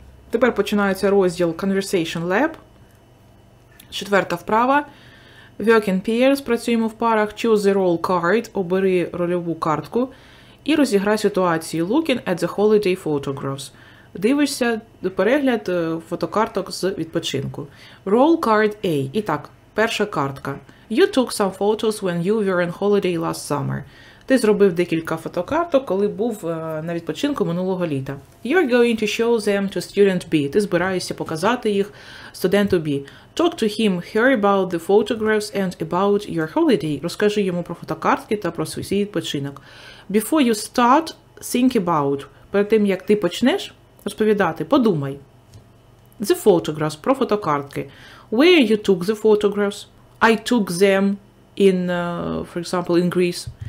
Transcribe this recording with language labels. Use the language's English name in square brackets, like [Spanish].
[Ukrainian] Тепер починається розділ Conversation Lab. Четверта вправа. [English] Work in pairs. [Ukrainian] Працюємо в парах. [English] Choose a role card. [Ukrainian] Обери рольову картку. І розіграй ситуацію. [English] Looking at the holiday photographs. [Ukrainian] Дивишся перегляд фотокарток з відпочинку. [English] Roll card A. [Ukrainian] І так, перша картка. [English] You took some photos when you were on holiday last summer. [Ukrainian] Ти зробив декілька фотокарток, коли був на відпочинку минулого літа. [English] You're going to show them to student B. [Ukrainian] Ти збираєшся показати їх студенту B. [English] Talk to him, her about the photographs and about your holiday. [Ukrainian] Розкажи йому про фотокартки та про свій відпочинок. [English] Before you start, think about. [Ukrainian] Перед тим, як ти почнеш розповідати, подумай. [English] The photographs, [Ukrainian] про фотокартки. [English] Where you took the photographs? I took them in, for example, in Greece.